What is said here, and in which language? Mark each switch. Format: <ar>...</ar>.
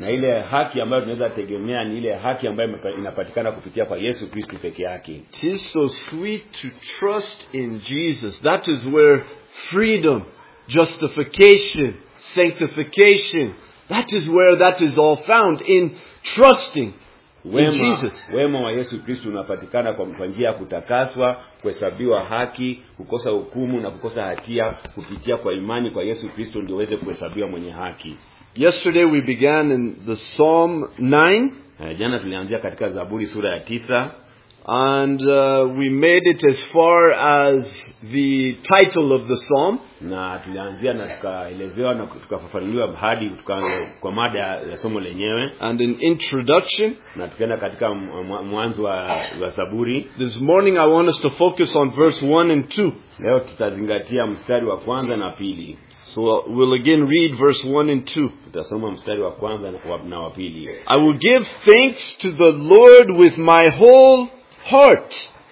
<sw>Na ile haki ambayo tunaweza tegemea ni ile haki ambayo inapatikana kupitia kwa Yesu Kristo peke yake.</sw> <en>It is so sweet to trust in Jesus. That is where freedom, justification, sanctification, that is where that is all found, in trusting</en> <sw>wema,</sw> <en>in Jesus.</en> <sw>Wema wa Yesu Kristo unapatikana kwa njia ya kutakaswa, kuhesabiwa haki, kukosa hukumu na kukosa hatia, kupitia kwa imani kwa Yesu Kristo ndio uweze kuhesabiwa mwenye haki.</sw> <en>Yesterday we began in the Psalm 9.</en> <sw>Jana tulianzia katika Zaburi sura ya 9.</sw> <en>And we made it as far as the title of the psalm.</en> <sw>Na tulianzia na tukaelezewa na tukafafanuliwa hadi tukaanza kwa mada ya somo lenyewe.</sw> <en>And an introduction.</en> <sw>Na tukaenda katika mwanzo wa Zaburi.</sw> <en>This morning I want us to focus on verse 1 and 2.</en> <sw>Leo tutazingatia mstari wa kwanza na pili.</sw> <en>So we'll again read verse 1 and 2.</en> <sw>Tutasoma mstari wa kwanza na wa pili.</sw> <en>I will give thanks to the Lord with my whole heart.</en>